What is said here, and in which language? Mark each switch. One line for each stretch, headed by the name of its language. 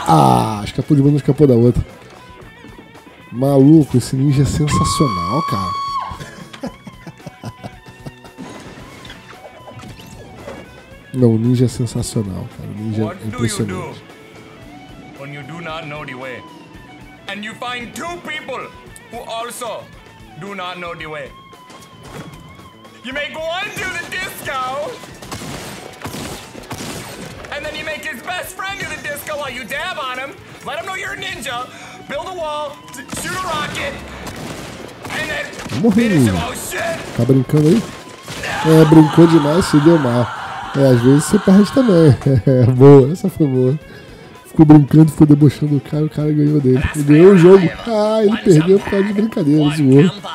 Portuguese: Ah, escapou de uma, não escapou da outra. Maluco, esse ninja é sensacional, cara. Não, o ninja é sensacional, cara. O ninja é impressionante. Quando você não sabe o caminho.
English: And you find two people who also do not know the way. You make one do the disco, and then you make his best friend do the disco while you dab on him. Let him know you're a ninja. Build a wall, shoot a rocket, and then finish him. Oh shit!
Portuguese: Tá brincando aí? É, brincou demais, se deu mal. É, às vezes você perde também. Boa, essa foi boa. Ficou brincando, foi debochando o cara ganhou dele. Ele ganhou o jogo. Ah, ele perdeu por causa de brincadeira, zoou.